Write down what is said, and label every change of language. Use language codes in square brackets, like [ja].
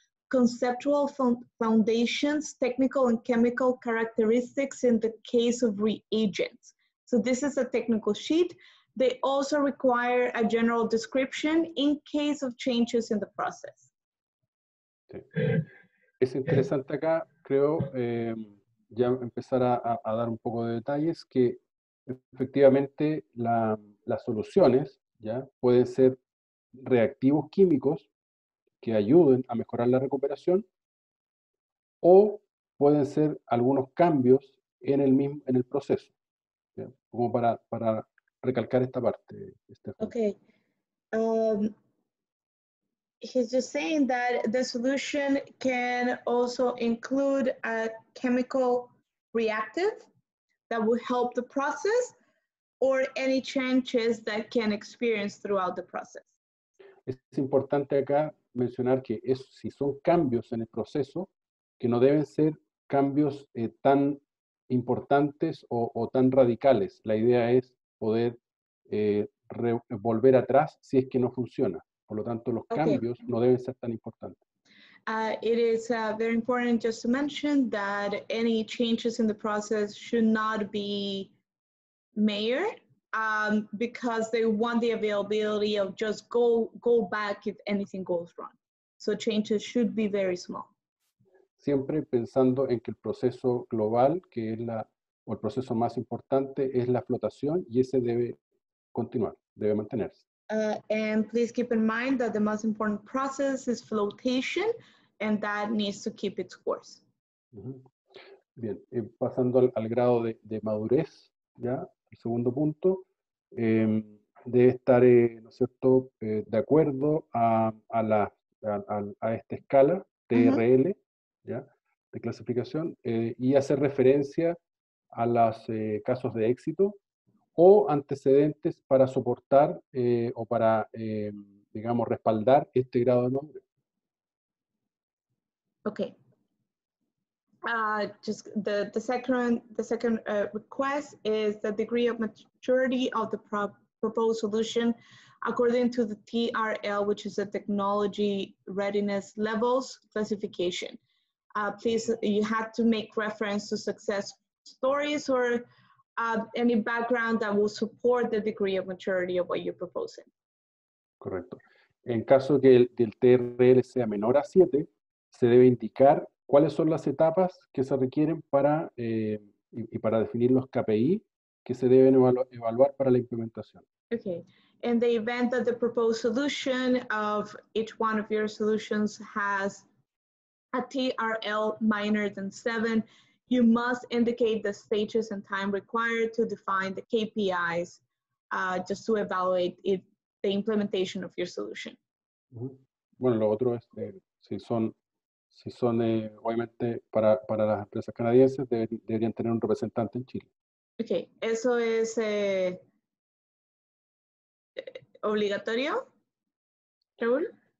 [en] Conceptual foundations, technical and chemical characteristics in the case of reagents. So this is a technical sheet. They also require a general description in case of changes in the process. [es] Sí. Es interesante acá, creo, ya empezar a dar un poco de detalles, que efectivamente las soluciones ya pueden ser reactivos químicos que ayuden a mejorar la recuperación, o pueden ser algunos cambios en el proceso, ¿sí? Como para recalcar esta parte. Stephanie. [en] Okay. He's just saying that the solution can also include a chemical reactive that will help the process, or any changes that can experience throughout the process. [es] Es importante acá mencionar que eso, si son cambios en el proceso, que no deben ser cambios tan importantes o tan radicales. La idea es poder volver atrás si es que no funciona. Por lo tanto, los cambios no deben ser tan importantes. [en] It is very important just to mention that any changes in the process should not be major. Because they want the availability of just go back if anything goes wrong. So changes should be very small. [es] Siempre pensando en que el proceso global, que es el proceso más importante, es la flotación, y ese debe continuar, debe mantenerse. [en] And please keep in mind that the most important process is flotation, and that needs to keep its course. Mm-hmm. [es] Bien, pasando al grado de madurez, ya, el segundo punto. Debe estar, ¿no es cierto?, de acuerdo a esta escala TRL, uh-huh, ¿ya?, de clasificación, y hacer referencia a los casos de éxito o antecedentes para soportar o para, digamos, respaldar este grado de nombre. [en] Ok. Just the second request is the degree of maturity of the proposed solution according to the TRL, which is a technology readiness levels classification. Please, you have to make reference to success stories or any background that will support the degree of maturity of what you're proposing. [es] Correcto. En caso que el TRL sea menor a 7, se debe indicar cuáles son las etapas que se requieren para y para definir los KPI que se deben evaluar para la implementación. [en] Okay. In the event that the proposed solution of each one of your solutions has a TRL minor than 7, you must indicate the stages and time required to define the KPIs just to evaluate if the implementation of your solution. Mm-hmm. [es] Bueno, lo otro es si son obviamente para las empresas canadienses deberían tener un representante en Chile. Okay, eso es obligatorio, Raúl.